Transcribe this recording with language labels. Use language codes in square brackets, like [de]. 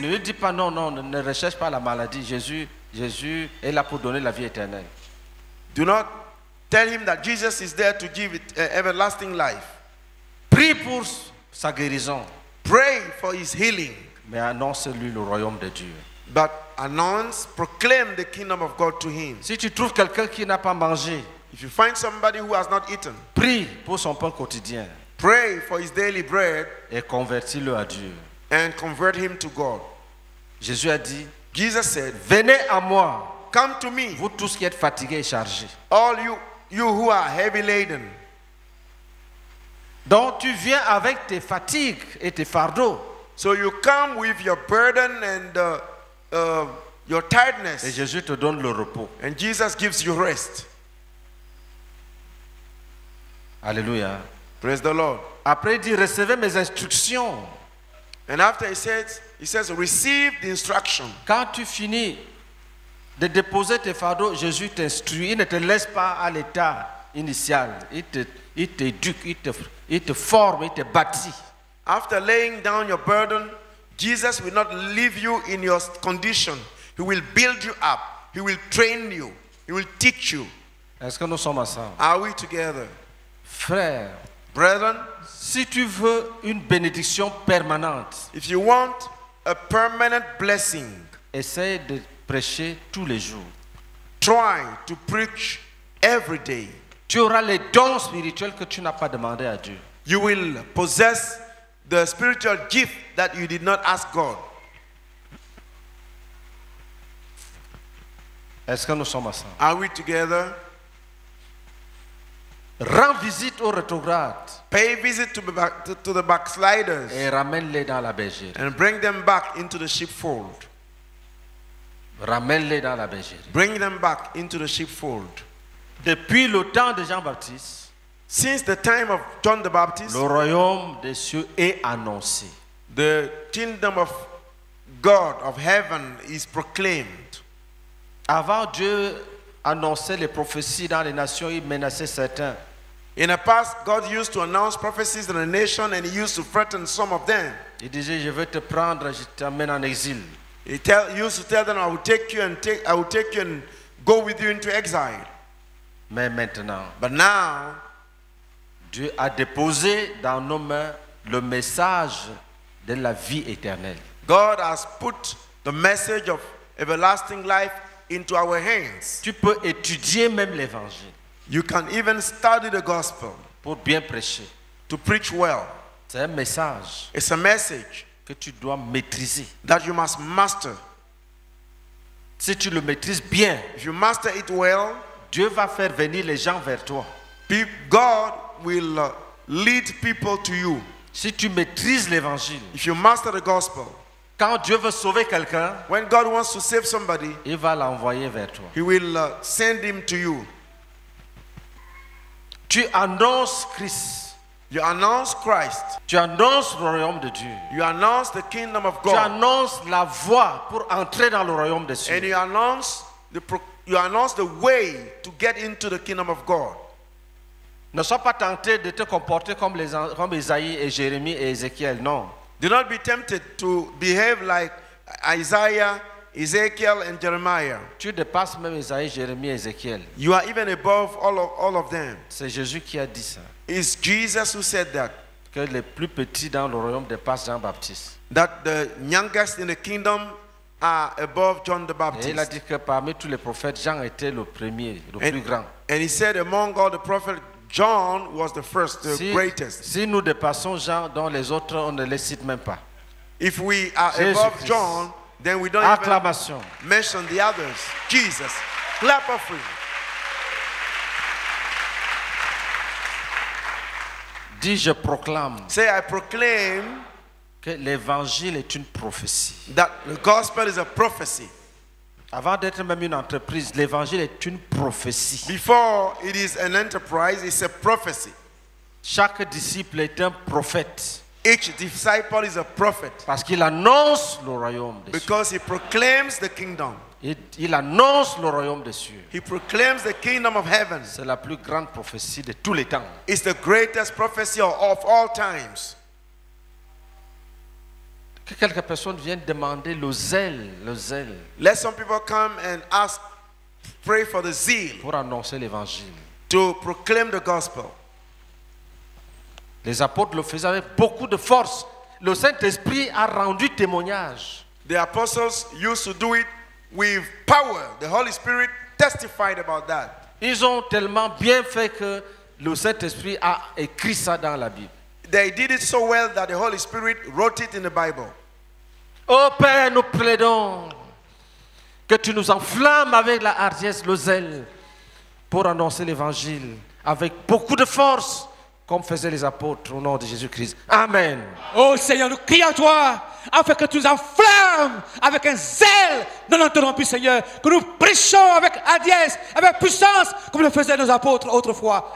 [fr] ne lui dis pas non, ne recherche pas la maladie. Jésus est là pour donner la vie éternelle. [en] Do not tell him that Jesus is there to give it everlasting life. [fr] Prie pour sa guérison. [en] Pray for his healing. [fr] Mais annonce-lui le royaume de Dieu. [en] But announce, proclaim the kingdom of God to him. [fr] Si tu trouves quelqu'un qui n'a pas mangé, [en] if you find somebody who has not eaten, [fr] prie pour son pain quotidien. [en] Pray for his daily bread. [fr] Et convertis-le à Dieu. [en] And convert him to God. [fr] Jésus a dit, [en] Jesus said, [fr] venez à moi. [en] Come to me. [fr] Vous tous qui êtes fatigués et chargés. [en] All you who are heavy laden. [fr] Donc tu viens avec tes fatigues et tes fardeaux. [en] So you come with your burden and your tiredness. [fr] Et Jésus te donne le repos. [en] And Jesus gives you rest. [fr] Alléluia. [en] Praise the Lord. [fr] Après il dit recevez mes instructions. [en] And after he says receive the instruction. [fr] Quand tu finis de déposer tes fardeaux, Jésus t'instruit, il ne te laisse pas à l'état initial, il t'éduque, il te forme, il te bâtit. [en] After laying down your burden, Jesus will not leave you in your condition. He will build you up, he will train you, he will teach you. [fr] Est-ce que nous sommes ensemble? [en] Are we together? [fr] Frère, [en] brethren, [fr] si tu veux une bénédiction permanente, [en] if you want a permanent blessing, [fr] essaie de prêcher tous les jours. [en] Try to preach every day. [fr] Tu auras les dons spirituels que tu n'as pas demandé à Dieu. [en] You will possess the spiritual gift that you did not ask God. [fr] Est-ce que nous sommes ensemble? [en] Are we together? [fr] Rends visite aux rétrogrades. [en] Pay visit to the backsliders. [fr] Et ramène-les dans la bergerie. [en] And bring them back into the sheepfold. [fr] Ramène-les dans la bergerie. [en] Bring them back into the sheepfold. [fr] Depuis le temps de Jean-Baptiste, [en] since the time of John the Baptist, [fr] le royaume des cieux est annoncé. [en] The kingdom of God of heaven is proclaimed. [fr] Avant Dieu annonçait les prophéties dans les nations, il menaçait certains. [en] In the past, God used to announce prophecies in the nation and he used to threaten some of them. [fr] Il disait, je vais te prendre, je t'emmène en exil. [en] He used to tell them, I will take you and go with you into exile. [fr] Mais maintenant, [en] but now, [fr] Dieu a déposé dans nos mains le message de la vie éternelle. [en] God has put the message of everlasting life into our hands. [fr] Tu peux étudier même l'évangile. [en] You can even study the gospel. [fr] Pour bien prêcher. [en] To preach well. [fr] C'est un message. [en] It's a message. [fr] Que tu dois maîtriser. [en] That you must master. [fr] Si tu le maîtrises bien, [en] if you master it well, [fr] Dieu va faire venir les gens vers toi. [en] God will lead people to you. [fr] Si tu maîtrises l'évangile, [en] if you master the gospel, [fr] quand Dieu veut sauver quelqu'un, [en] when God wants to save somebody, [fr] il va l'envoyer vers toi. [en] He will send him to you. [fr] Tu annonces Christ. [en] You announce Christ. [fr] Tu annonces le royaume de Dieu. [en] You announce the kingdom of God. [fr] Tu annonces la voie pour entrer dans le royaume des cieux. [en] And you announce the way to get into the kingdom of God. [fr] Ne sois pas tenté de te comporter comme Isaïe et Jérémie et Ézéchiel, non. [en] Do not be tempted to behave like Isaiah, Ezekiel and Jeremiah. [fr] Tu dépasses même Isaïe, Jérémie et Ézéchiel. [en] You are even above all of them. [fr] C'est Jésus qui a dit ça. [en] Is Jesus who said that? [fr] Que les plus petits dans le royaume dépassent Jean-Baptiste. [en] That the youngest in the kingdom are above John the Baptist. [fr] Et il a dit que parmi tous les prophètes, Jean était le premier, plus grand. [en] And he said among all the prophets, John was the first, greatest. [fr] Si nous dépassons Jean, dont les autres on ne les cite même pas. [en] If we are Jésus above Christ. John, then we don't acclamation. Even mention the others. Jesus, clap of him. [fr] Dis, je proclame. [en] Say, I proclaim. [fr] Que l'évangile est une prophétie. [en] That the gospel is a prophecy. [fr] Avant d'être même une entreprise, l'évangile est une prophétie. [en] Before it is an enterprise, it's a prophecy. [fr] Chaque disciple est un prophète. [en] Each disciple is a prophet. [fr] Parce qu'il annonce le royaume des cieux. [en] Because he proclaims the kingdom. [fr] Il annonce le royaume des cieux. [en] He proclaims the kingdom of heaven. [fr] C'est la plus grande prophétie de tous les temps. [en] It's the greatest prophecy of all times. [fr] Que quelques personnes viennent demander le zèle, le zèle. [en] Let some people come and ask, pray for the zeal. [fr] Pour annoncer l'évangile. [en] To proclaim the gospel. [fr] Les apôtres le faisaient avec beaucoup de force. Le Saint-Esprit a rendu témoignage. [en] The apostles used to do it with power. The Holy Spirit testified about that. [fr] Ils ont tellement bien fait que le Saint-Esprit a écrit ça dans la Bible. [en] They did it so well that the Holy Spirit wrote it in the Bible. [fr] Oh Père, nous plaidons que tu nous enflammes avec la hardiesse, le zèle pour annoncer l'évangile avec beaucoup de force comme faisaient les apôtres au nom de Jésus-Christ. Amen. Oh Seigneur, nous crions à toi afin que tu nous enflammes avec un zèle non interrompu, Seigneur, que nous prêchons avec hardiesse, avec puissance comme le faisaient nos apôtres autrefois.